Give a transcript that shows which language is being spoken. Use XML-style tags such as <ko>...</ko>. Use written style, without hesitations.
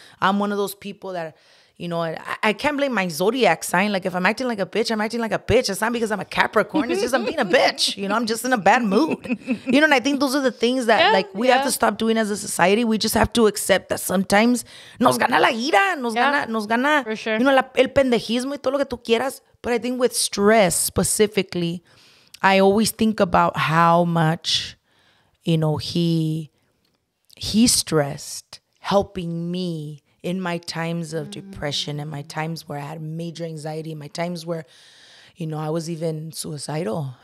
<en>I'm one of those people that, you know, I can't blame my zodiac sign. Like, if I'm acting like a bitch, I'm acting like a bitch. It's not because I'm a Capricorn. It's just I'm being a bitch. You know, I'm just in a bad mood. You know, and I think those are the things that, we have to stop doing as a society. We just have to accept that sometimes</en> <es>nos gana la ira. Nos gana,</es> <en>for sure. You know,</en> <es>el pendejismo y todo lo que tú quieras.</es> <en>But I think with stress specifically, I always think about how much, you know, he stressed helping me in my times of depression and my times where I had major anxiety, my times where, you know, I was even suicidal.</en>